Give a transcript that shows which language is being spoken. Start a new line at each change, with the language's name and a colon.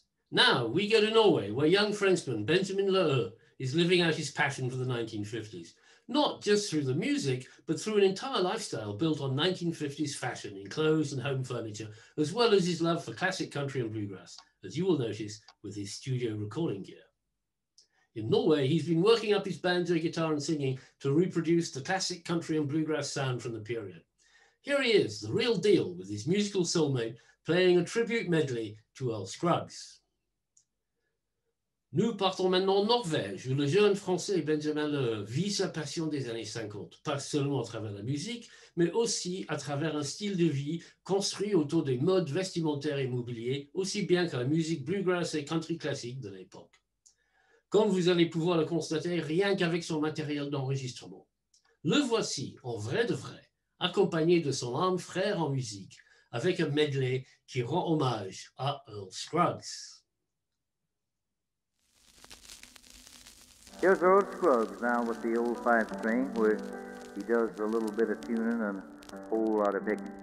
English: Now we go to Norway, where young Frenchman Benjamin Lehe is living out his passion for the 1950s, not just through the music, but through an entire lifestyle built on 1950s fashion in clothes and home furniture, as well as his love for classic country and bluegrass, as you will notice with his studio recording gear. In Norway, he's been working up his banjo, guitar and singing to reproduce the classic country and bluegrass sound from the period. Here he is, the real deal, with his musical soulmate playing a tribute medley to Earl Scruggs.
French: Nous partons maintenant en Norvège, où le jeune français Benjamin Lehe vit sa passion des années 50, pas seulement à travers la musique, mais aussi à travers un style de vie construit autour des modes vestimentaires et mobiliers, aussi bien que la musique bluegrass et country classique de l'époque. Comme vous allez pouvoir le constater rien qu'avec son matériel d'enregistrement. Le voici, en vrai de vrai, accompagné de son âme frère en musique, avec un medley qui rend hommage à Earl Scruggs.
English: Here's Earl Scruggs now with the old five string, where he does a little bit of tuning and a whole lot of picking.